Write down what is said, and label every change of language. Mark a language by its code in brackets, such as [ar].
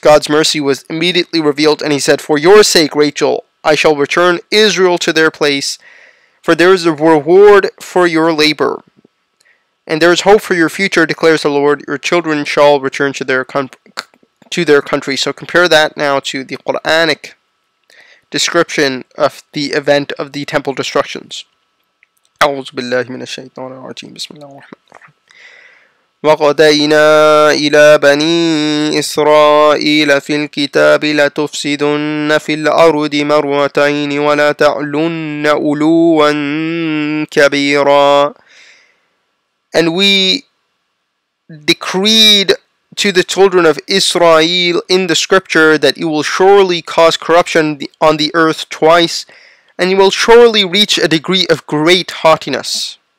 [en] God's mercy was immediately revealed, and he said, for your sake, Rachel, I shall return Israel to their place, for there is a reward for your labor, and there is hope for your future, declares the Lord. Your children shall return to their country. So compare that now to the Quranic description of the event of the temple destructions. [ar] أعوذ بالله من الشيطان الرجيم بسم الله الرحمن الرحيم وقدينا إلى بني إسرائيل في الكتاب لتفسدن في الأرض مرتين ولا تعلن علوا كبيرا. [en] And we decreed to the children of Israel in the scripture that you will surely cause corruption on the earth twice, and you will surely reach a degree of great haughtiness.